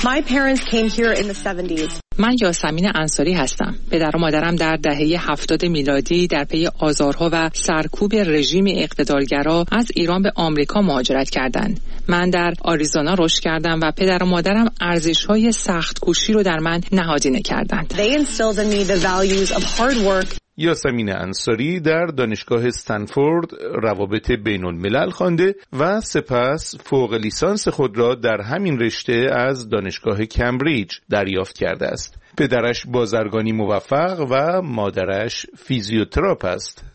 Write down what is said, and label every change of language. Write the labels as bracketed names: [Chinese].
[English] My parents came here in the 70s. [Persian] من یاسمین انصاری هستم. پدر و مادرم در دهه 70 میلادی در پی آزارها و سرکوب رژیم اقتدارگرا از ایران به آمریکا مهاجرت کردند. من در آریزونا رشد کردم و پدر و مادرم ارزش‌های سخت کوشی رو در من نهادینه کردند. [English] They instilled in me the values of hard work. [Persian] یاسمین انصاری در دانشگاه استنفورد روابط بین الملل خوانده و سپس فوق لیسانس خود را در همین رشته از دانشگاه کمبریج دریافت کرده است. پدرش بازرگانی موفق و مادرش فیزیوتراپ است.